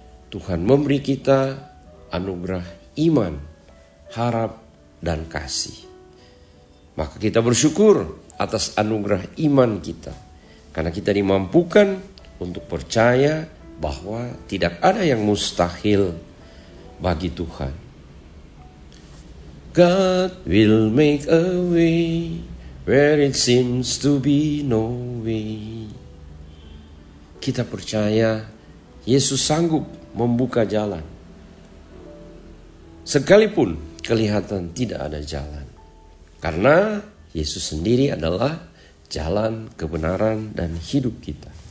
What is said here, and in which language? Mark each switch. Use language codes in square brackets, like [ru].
[id] Tuhan memberi kita anugerah iman, harap, dan kasih. Maka kita bersyukur atas anugerah iman kita, karena kita dimampukan untuk percaya bahwa tidak ada yang mustahil bagi Tuhan. [en] God will make a way where it seems to be no way. [id] Kita percaya Yesus sanggup membuka jalan, sekalipun kelihatan tidak ada jalan. Karena Yesus sendiri adalah jalan, kebenaran, dan hidup kita.